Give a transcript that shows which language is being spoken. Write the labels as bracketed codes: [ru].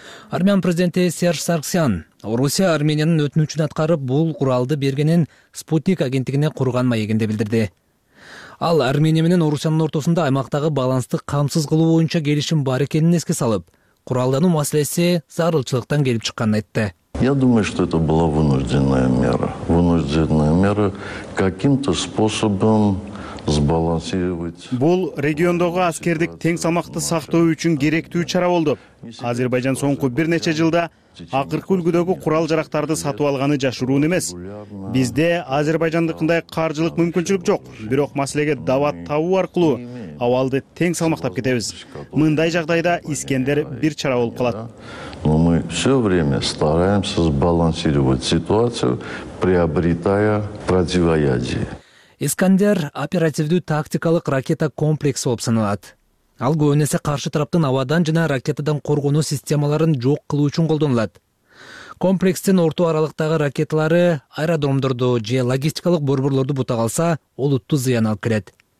[ky] Армян президенти Серж Сарксян Орусия Армениянын өтүнүчүн аткарып бул куралды бергенин Спутник агенттигине курган маегинде билдирди. Ал Армения менен Орусиянын ортосунда аймактагы балансты камсыз кылуу боюнча келишим бар экенин эске салып, куралдануу маселеси зарылчылыктан келип чыкканын айтты. [ru] Я думаю, что это была вынужденная мера. Вынужденная мера каким-то способом сбалансировать. [ky] Бул региондогу аскердик тең салмакты сактоо үчүн керектүү чара болду. Азербайджан соңку бир нече жылда акыркы үлгүдөгү курал жарактарды сатып алганы жашыруун эмес. Бизде азербайжандыкындай каржылык мүмкүнчүлүк жок, бирок маселеге дават табуу аркылуу абалды тең салмактап кетебиз. Мындай жагдайда Искендер бир чара болуп калат. [ru] Но мы все время стараемся сбалансировать ситуацию, приобретая противоядие. [ky] Искандер оперативдүү тактикалык ракета комплекси болуп саналат. Ал көбүнесе каршы тараптын абадан жана ракетадан коргонуу системаларын жок кылуу үчүн колдонулат. Комплекстин орто аралыктагы ракеталары аэродромдорду же логистикалык борборлорду бута калса, олуттуу зыян алып келет.